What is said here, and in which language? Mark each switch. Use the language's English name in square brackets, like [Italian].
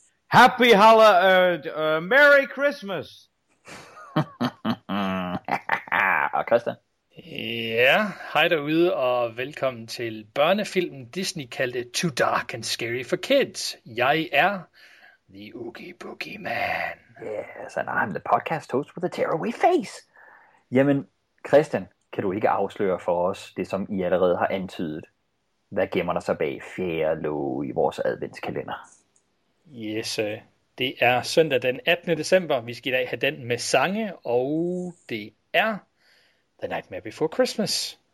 [English] Happy Holla, Merry Christmas. [Danish] Og Christian. Ja, hej derude og velkommen til børnefilmen Disney kaldte Too Dark and Scary for Kids. Jeg er The Oogie Boogie Man. [English] Yes, and I'm the podcast host with a tearaway face. [Danish] Jamen, Christian, kan du ikke afsløre for os det, som I allerede har antydet? Hvad gemmer der sig bag fjerde låge i vores adventskalender? Yes, det er søndag den 18. december. Vi skal i dag have den med sange, og det er The Nightmare Before Christmas.